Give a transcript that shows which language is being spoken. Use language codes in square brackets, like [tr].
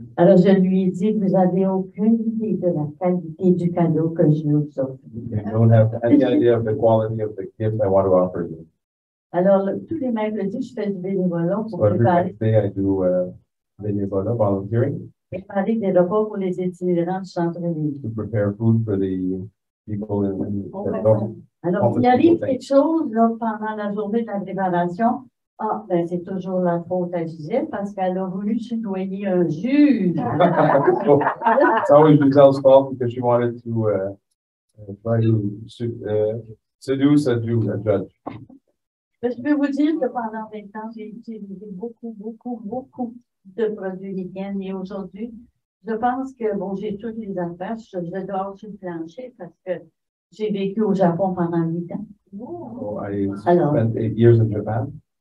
[fr] Alors je lui ai dit, vous avez aucune idée de la qualité du cadeau que je vous offre. [en] You don't have any idea of the quality of the gift I want to offer you. [fr] Alors tous les mercredis, je fais du bénévolat pour [en] préparer. Every day I do. Volunteering. To prepare food for the people in the It's always Giselle's fault because she wanted to seduce a judge. [fr] Mais je peux vous dire que pendant 20 ans, j'ai utilisé beaucoup de produits hygiéniques. Et aujourd'hui, je pense que, bon, j'ai toutes les affaires. Je dors sur le plancher parce que j'ai vécu au Japon pendant 8 ans. [en] I spent 8 years in Japan.